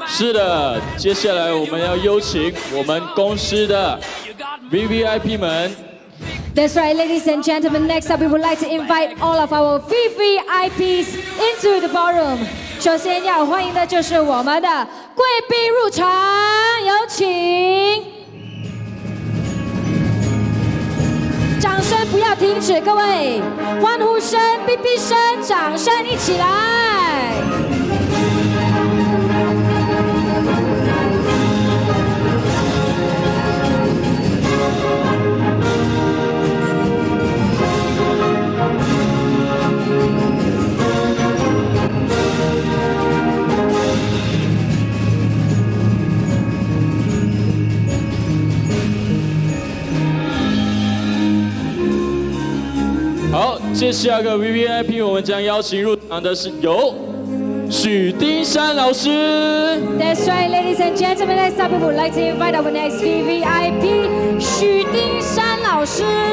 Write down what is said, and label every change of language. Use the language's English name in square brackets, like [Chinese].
[Chinese] 是的，接下来我们要邀请我们公司的 VVIP 们。 [English] That's right, ladies and gentlemen. Next up, we would like to invite all of our VVIPs into the ballroom. [Chinese] 首先要欢迎的就是我们的贵宾入场，有请。掌声不要停止，各位，欢呼声、哔哔声，掌声一起来。接下个 VVIP 我们将邀请入场的是由许丁山老师。 [English] That's right, ladies and gentlemen, next up we would like to invite our next VVIP 许丁山老师。